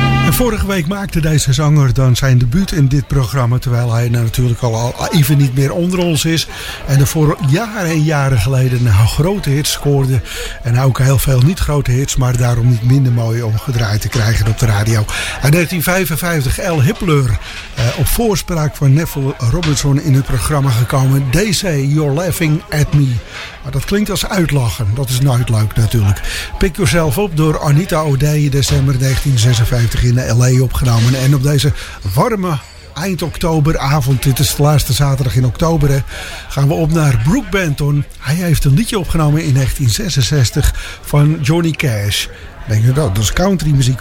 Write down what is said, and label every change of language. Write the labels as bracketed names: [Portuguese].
[Dutch] Vorige week maakte deze zanger dan zijn debuut in dit programma, terwijl hij natuurlijk al even niet meer onder ons is. En er voor jaren en jaren geleden nou grote hits scoorde. En ook heel veel niet grote hits, maar daarom niet minder mooi om gedraaid te krijgen op de radio. En 1955 L. Hippler, op voorspraak van Neville Robertson in het programma gekomen. [English] They say you're laughing at me. [Dutch] Dat klinkt als uitlachen, dat is nooit leuk natuurlijk. Pick Yourself Up door Anita O'Day, december 1956 in L.A. opgenomen. En op deze warme eind oktoberavond, dit is de laatste zaterdag in oktober, hè, gaan we op naar Brooke Benton. Hij heeft een liedje opgenomen in 1966 van Johnny Cash. Denk je dat? Dat is country muziek.